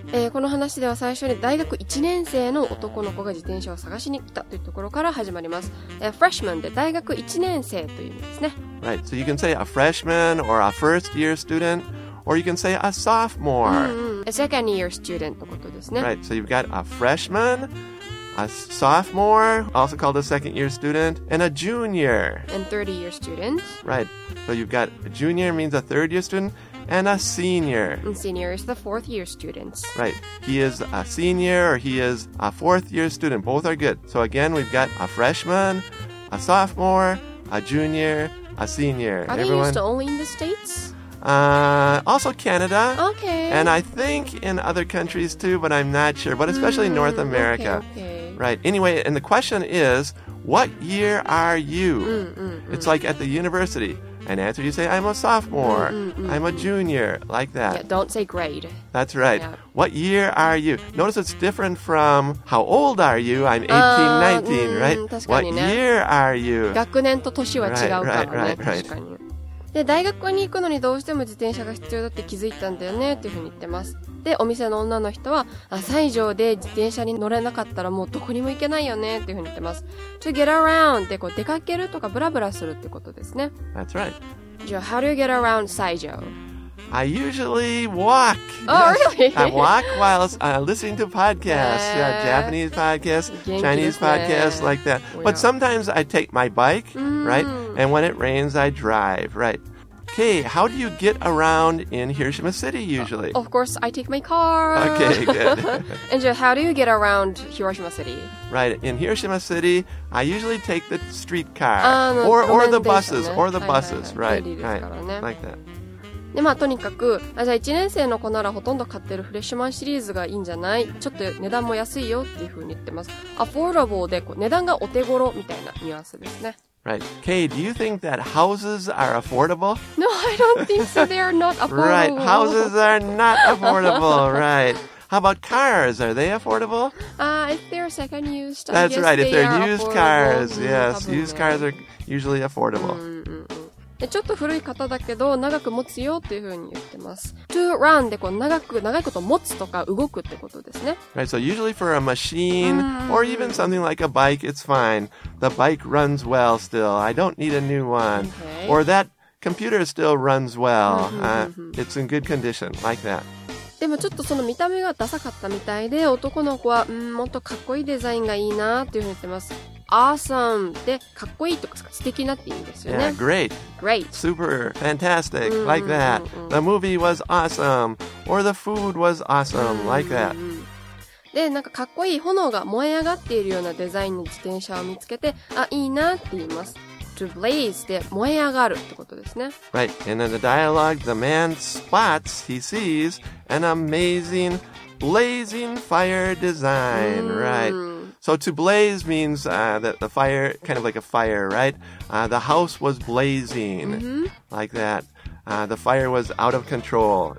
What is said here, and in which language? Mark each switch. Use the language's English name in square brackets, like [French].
[Japanese] この話では最初に大学1年生の男の子が自転車を探しに来たというところから始まります。 Freshman で大学1年生という意味ですね。 [English] Right, so you can say a freshman or a first year student. Or you can say a sophomore. A second year student [Japanese] のことですね。 [English] Right, so you've got a freshman, a sophomore, also called a second year student, and a junior. And 30 year student. Right, so you've got a junior means a third year student, and a senior. And senior is the fourth year student. Right, he is a senior or he is a fourth year student. Both are good. So again, we've got a freshman, a sophomore, a junior, a senior. Are they used only in the States? Also Canada. Okay. And I think in other countries too, but I'm not sure. But especially North America. Okay. Right. Anyway, and the question is, what year are you? It's like at the university. an answer, you say, I'm a sophomore, I'm a junior, like that. Yeah, don't say grade. That's right. Yeah. What year are you? Notice it's different from how old are you? I'm 18, 19, right? What year are you? [Japanese] 学年と年は違うからね、right. 確かに。で、大学に行くのにどうしても自転車が必要だって気づいたんだよねっていうふうに言ってます。で、お店の女の人は、西条で自転車に乗れなかったらもうどこにも行けないよねっていうふうに言ってます。 [English] To get around [Japanese] ってこう出かけるとかブラブラするってことですね。 That's right. [English] So how do you get around 西条? I usually walk. Oh, really? I walk while listening to podcasts. Yeah, Japanese podcasts, Chinese podcasts, like that. But sometimes I take my bike, right? And when it rains, I drive, right? Okay, how do you get around in Hiroshima City usually? Of course, I take my car. Okay, good. And Joe, how do you get around Hiroshima City? Right, in Hiroshima City, I usually take the streetcar. Or the buses, ね、 or the buses, [Japanese] はいはい、はい、 [English] right. right. Like that. [Japanese] でまあとにかくあじゃあ1年生の子ならほとんど買ってるフレッシュマンシリーズがいいんじゃないちょっと値段も安いよっていうふうに言ってます affordable でこう値段がお手頃みたいなニュアンスですね [English] Right Kay do you think that houses are affordable? No I don't think so they are not affordable Right houses are not affordable Right How about cars? Are they affordable? If they're second used That's right if they're they used cars Yes used cars are usually affordable [Japanese] でちょっと古い方だけど長く持つよっていう風に言ってます。 [English] To run [Japanese] でこう長く長いこと持つとか動くってことですね。 [English] Right, so usually for a machine or even something like a bike, it's fine. The bike runs well still. I don't need a new one. Okay. Or that computer still runs well. It's in good condition, like that. [Japanese] でもちょっとその見た目がダサかったみたいで男の子はもっとかっこいいデザインがいいなっていう風に言ってます。 [English] Awesome! [Japanese] で、かっこいいとか、素敵なって意味ですよね。 [English] Yeah, great! Great! Super! Fantastic! Like that! The movie was awesome! Or the food was awesome! Like that! [Japanese] で、なんかかっこいい炎が燃え上がっているようなデザインの自転車を見つけて、あ、いいなって言います。 [English] To blaze [Japanese] で燃え上がるってことですね。 [English] Right! And in the dialogue, the man spots, he sees, an amazing blazing fire design, right? So to blaze means that the fire, kind of like a fire, right? The house was blazing, like that. The fire was out of control.